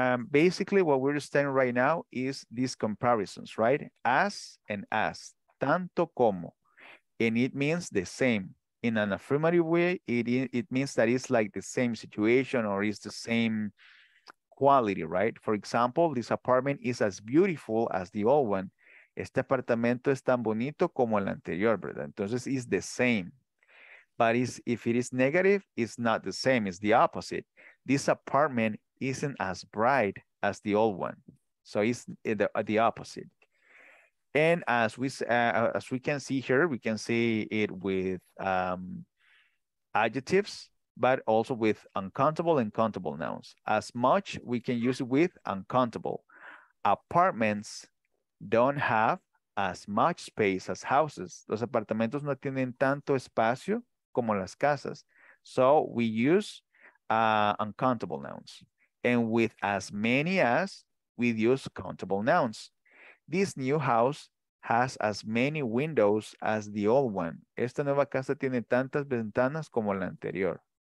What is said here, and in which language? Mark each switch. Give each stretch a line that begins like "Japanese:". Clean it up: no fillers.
English: Basically, what we're studying right now is these comparisons, right? As and as.
Spanish: Tanto como,
English: and it means the same. In an affirmative way, it means that it's like the same situation or it's the same quality, right? For example, this apartment is as beautiful as the old one.
Spanish: Este apartamento es tan bonito como el anterior, ¿verdad?
English: Entonces, it's the same. But if it is negative, it's not the same. It's the opposite. This apartment isn't as bright as the old one. So it's the opposite. And as we can see here, we can see it with adjectives, but also with uncountable and countable nouns. As much, we can use it with uncountable. Apartments don't have as much space as houses.
Spanish: Los apartamentos no tienen tanto espacio como las casas.
English: So we use uncountable nouns. And with as many as, we use countable nouns. This new house has as many windows as the old one.
Spanish: Esta nueva casa tiene tantas ventanas como la anterior.